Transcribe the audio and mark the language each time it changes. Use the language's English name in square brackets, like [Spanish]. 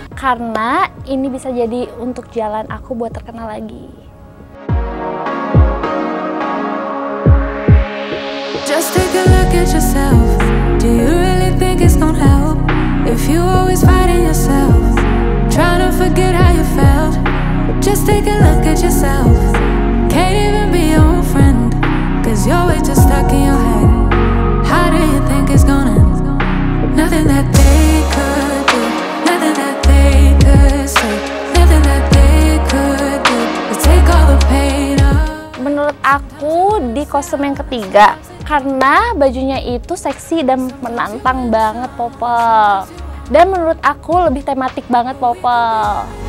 [Indonesian] Karena ini bisa jadi untuk jalan aku buat terkenal lagi. [English] Just take a look at yourself. Do you really think it's gonna help? If you always fighting yourself, trying to forget how you felt. Just take a look at yourself. Can't even be your own friend. Cause you're always just stuck in your head. How do you think it's gonna end? Nothing that they could do, nothing that they could say, nothing that they could do to take all the pain off. [Indonesian] Menurut aku di kostum yang ketiga, karena bajunya itu seksi dan menantang banget, Popol. Dan menurut aku lebih tematik banget, Popol.